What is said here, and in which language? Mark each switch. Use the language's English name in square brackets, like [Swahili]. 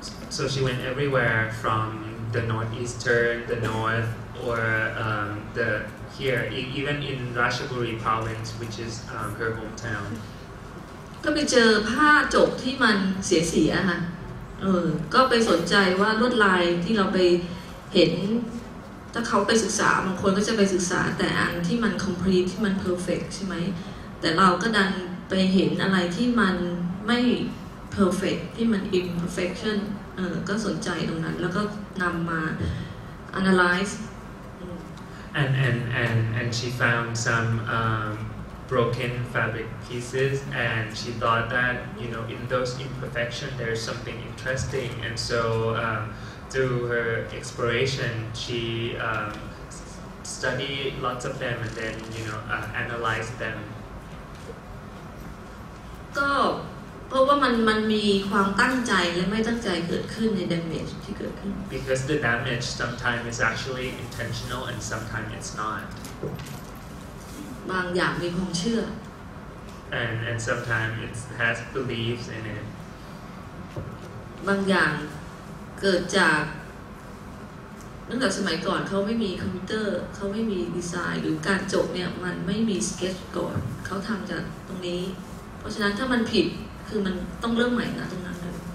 [English] So she went everywhere from the northeastern the north or the here even in Ratchaburi province which is her hometown [Thai] ก็ไปเจอผ้าจกที่มันเสียสีอ่ะฮะก็ไปสนใจว่าลวดลายที่เราไปเห็นถ้าเขาไปศึกษาบางคนก็จะไปศึกษาแต่อันที่มัน complete ที่มัน perfect ใช่ไหมแต่เราก็ดันไปเห็นอะไรที่มันไม่ perfect ที่มัน imperfection ก็สนใจตรงนั้นแล้วก็นำมา analyze [English] and she found some broken fabric pieces and she thought that you know in those imperfection there's something interesting and so through her exploration, she studied lots of them and then, you know, analyzed them. [Thai] ก็เพราะว่ามันมีความตั้งใจและไม่ตั้งใจเกิดขึ้นใน damage ที่เกิดขึ้น [English] Because the damage sometimes is actually intentional and sometimes it's not. [Thai] บางอย่างมีความเชื่อ [English] And sometimes it has beliefs in it. [Thai] บางอย่างเกิดจากเนื่องจากสมัยก่อนเขาไม่มีคอมพิวเตอร์เขาไม่มีดีไซน์หรือการจบเนี่ยมันไม่มีสเก็ตช์ก่อนเขาทำจากตรงนี้เพราะฉะนั้นถ้ามันผิดคือมันต้องเริ่มใหม่นะตรงนั้นเลย